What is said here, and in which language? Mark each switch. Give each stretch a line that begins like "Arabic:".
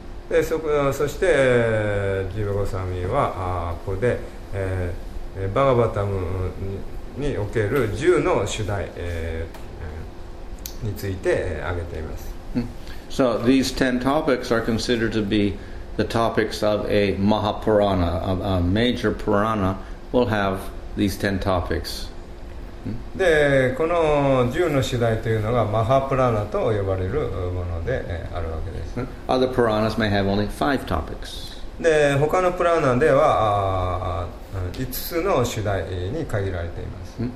Japanese: で、そして、ジーバ・ゴスワミはここで、バガヴァタムにおける10の主題、について挙げています。
English: So these 10 topics are considered to be the topics of a Mahapurana, a major Purana will have these 10 topics.
Japanese: で、この10の主題というのがマハプラナと呼ばれるものであるわけです。
English: Other Puranas may have only 5 topics.
Japanese: で、他のプラナでは5つの主題に限られています。